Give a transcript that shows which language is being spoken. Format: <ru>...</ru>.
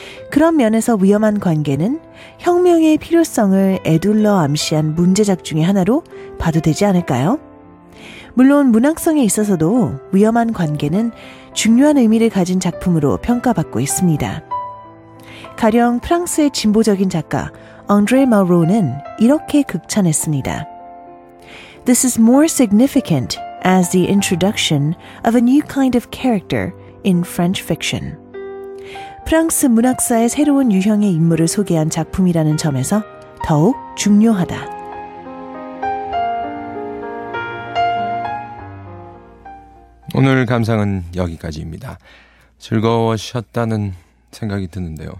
<ko>그런 면에서 위험한 관계는 혁명의 필요성을 에둘러 암시한 문제작 중의 하나로 봐도 되지 않을까요? 물론 문학성에 있어서도 위험한 관계는 중요한 의미를 가진 작품으로 평가받고 있습니다. 가령 프랑스의 진보적인 작가 앙드레 마로는 이렇게 극찬했습니다.</ko> <en>"This is more significant as the introduction of a new kind of character in French fiction."</en> <ko>프랑스 문학사의 새로운 유형의 인물을 소개한 작품이라는 점에서 더욱 중요하다. 오늘 감상은 여기까지입니다. 즐거우셨다는 생각이 드는데요.</ko>